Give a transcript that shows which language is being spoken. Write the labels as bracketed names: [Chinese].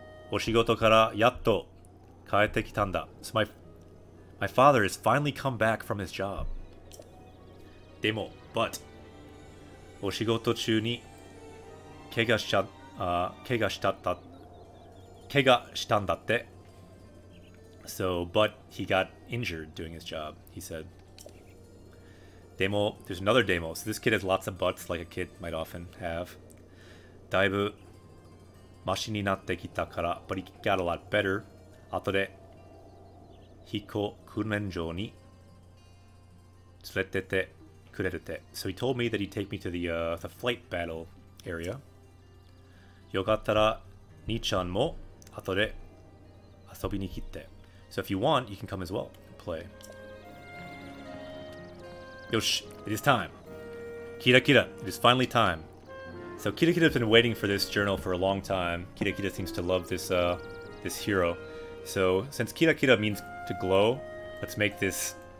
[Japanese] お仕事からやっと帰ってきたんだ。 [English] So、my father has finally come back from his job. [Japanese] でも、but お仕事中に怪我したんだって。 [English] So, but he got injured doing his job, he said. でも、there's another demo. So this kid has lots of buts like a kid might often have. [Japanese] だいぶマシになってきたから、 [English] but he got a lot better. [Japanese] 後で、飛行訓練場に連れてってくれるって。 [English] So he told me that he'd take me to the flight battle area. [Japanese] よかったら、兄ちゃんも後で遊びに来て。 [English] So if you want, you can come as well and play. よし、it is time. キラキラ、it is finally time. So Kirikira has been waiting for this journal for a long time. Kirikira seems to love this hero. So since Kirikira means to glow, let's make this...